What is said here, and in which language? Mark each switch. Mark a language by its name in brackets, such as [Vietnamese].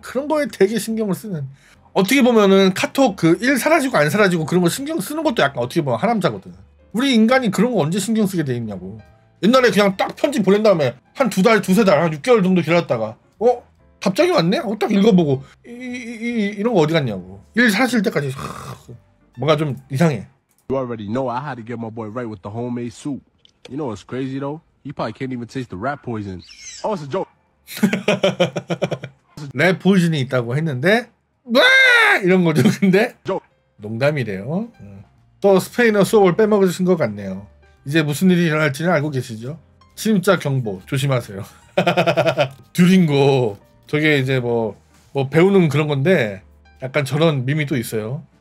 [Korean] 그런 거에 되게 신경을 쓰는. 어떻게 보면은 카톡 그 일 사라지고 안 사라지고 그런 거 신경 쓰는 것도 약간 어떻게 보면 하남자거든. 우리 인간이 그런 거 언제 신경 쓰게 돼 있냐고. 옛날에 그냥 딱 편지 보낸 다음에 한 두 달, 두세 달, 한 6개월 정도 기다렸다가 어? 답장이 왔네? 어, 딱 읽어보고 이런 거 어디 갔냐고. 일 사라질 때까지 뭔가 좀 이상해. [English] You already know I had to get my boy right with the homemade soup. You know what's crazy though? He probably can't even taste the rat poison. Oh, it's a joke. [Korean] 랩 포이즌이 있다고 했는데 이런 거죠. 근데 농담이래요. 또 스페인어 수업을 빼먹으신 것 같네요. 이제 무슨 일이 일어날지는 알고 계시죠? 침자 경보 조심하세요. 듀링고 저게 이제 뭐 배우는 그런 건데 약간 저런 밈이 또 있어요.